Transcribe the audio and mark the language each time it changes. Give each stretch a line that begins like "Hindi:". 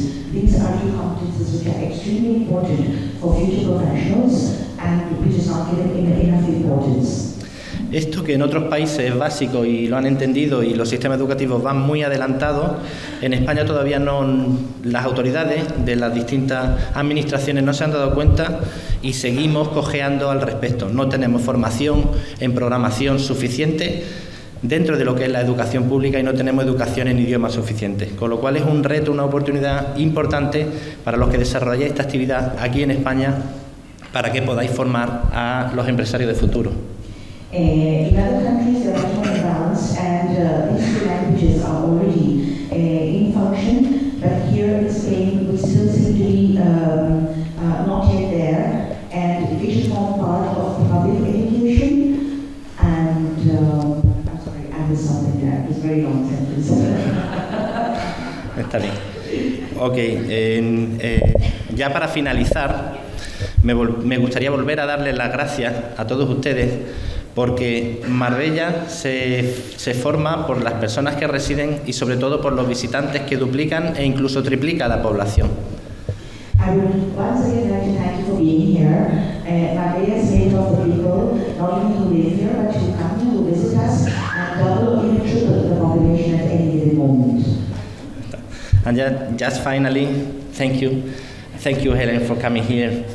English: These are two competencies which are extremely important for future professionals and which is not given enough importance.
Spanish: Esto que en otros países es básico y lo han entendido y los sistemas educativos van muy adelantados, en España todavía no, las autoridades de las distintas administraciones no se han dado cuenta y seguimos cojeando al respecto. No tenemos formación en programación suficiente dentro de lo que es la educación pública y no tenemos educación en idioma suficiente, con lo cual es un reto, una oportunidad importante para los que desarrolláis esta actividad aquí en España para que podáis formar a los empresarios de futuro.
English: In other countries, they are much more advanced, and these two languages are already in function. But here in Spain, we still seem to be not yet there, and it is not part of public education. And I'm sorry, I missed something there. It's a very long sentence.
Spanish: Está bien. Okay. Ya para finalizar, me gustaría volver a darle las gracias a todos ustedes porque Marbella se forma por las personas que residen y sobre todo por los visitantes que duplican e incluso triplica la población.
English: I would once again like to thank you for being here. Marbella is made of the people, not only who live here, but who come to visit us and double or even triple the population at any given moment. And just finally, thank you. Thank you, Helen, for coming here.